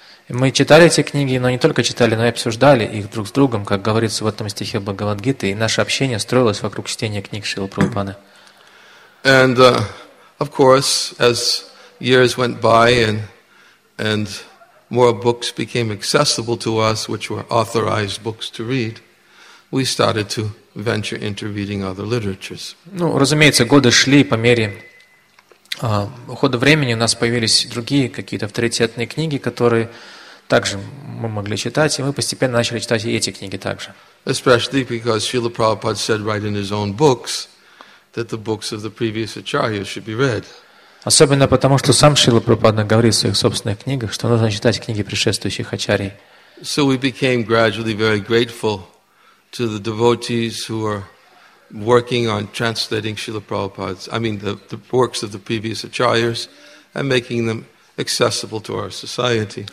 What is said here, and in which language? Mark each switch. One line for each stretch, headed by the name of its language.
Russian: Мы читали эти книги, но не только читали, но и обсуждали их друг с другом, как говорится в этом стихе Бхагавад-гиты, и наше общение строилось вокруг чтения книг Шрилы Прабхупады.
English: And of course, as years went by and more books became accessible to us, which were authorized books to read, we started to venture into reading other literatures.
Russian: Ну, разумеется, годы шли, по мере ухода времени у нас появились другие какие-то авторитетные книги, которые также мы могли читать, и мы постепенно начали читать и эти книги также.
English: Especially because Srila Prabhupada said right in his own books that the books of the previous acharya should be read.
Russian: Особенно потому, что сам Шрила Прабхупада говорит в своих собственных книгах, что нужно читать книги предшествующих ачарий.
English: So we became gradually very grateful to the devotees who are working on translating Srila Prabhupada's, the works of the previous acharyas and making them accessible to our society.